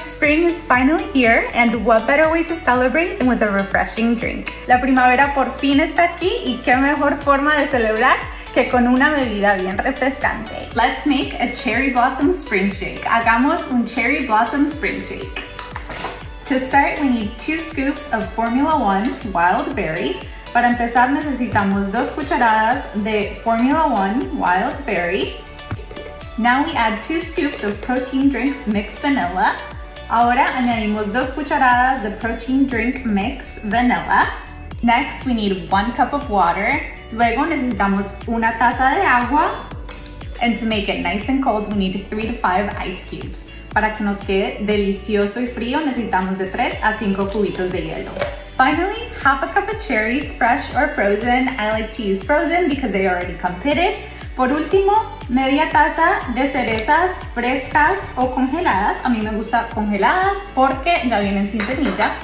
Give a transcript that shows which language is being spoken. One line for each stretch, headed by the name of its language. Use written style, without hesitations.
English: Spring is finally here, and what better way to celebrate than with a refreshing drink?
Spanish: La primavera por fin está aquí, y qué mejor forma de celebrar que con una bebida bien refrescante.
English: Let's make a cherry blossom spring shake.
Spanish: Hagamos un cherry blossom spring shake.
English: To start, we need 2 scoops of Formula 1 wild berry.
Spanish: Para empezar, necesitamos 2 cucharadas de Formula 1 wild berry.
English: Now we add 2 scoops of protein drinks mixed vanilla.
Spanish: Ahora añadimos 2 cucharadas de protein drink mix vanilla.
English: Next, we need 1 cup of water.
Spanish: Luego necesitamos 1 taza de agua.
English: And to make it nice and cold, we need 3 to 5 ice cubes.
Spanish: Para que nos quede delicioso y frío, necesitamos de 3 a 5 cubitos de hielo.
English: Finally, 1/2 cup of cherries, fresh or frozen. I like to use frozen because they already come pitted.
Spanish: Por último, 1/2 taza de cerezas frescas o congeladas. A mí me gusta congeladas porque ya vienen sin semilla.